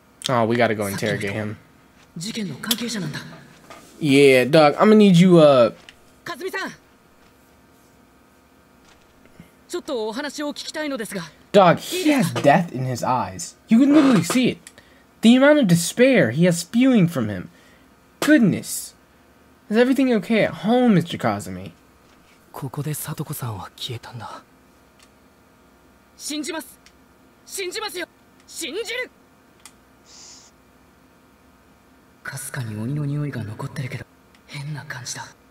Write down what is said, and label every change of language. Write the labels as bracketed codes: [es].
[en] Oh, we gotta go interrogate him. [ja] 事件の関係者なんだ。 [en] Yeah, dog, I'm gonna need you up. [ja] Kazumi さん。ちょっとお話を聞きたいのですが。 [en] Dog, he has death in his eyes. You can literally see it. The amount of despair he has spewing from him. Goodness. Is everything okay at home, Mr. Kazumi? [ja] ここでサトコさんは消えたんだ。信じます。信じますよ。信じる。かすかに鬼の匂いが残ってるけど、変な感じだ。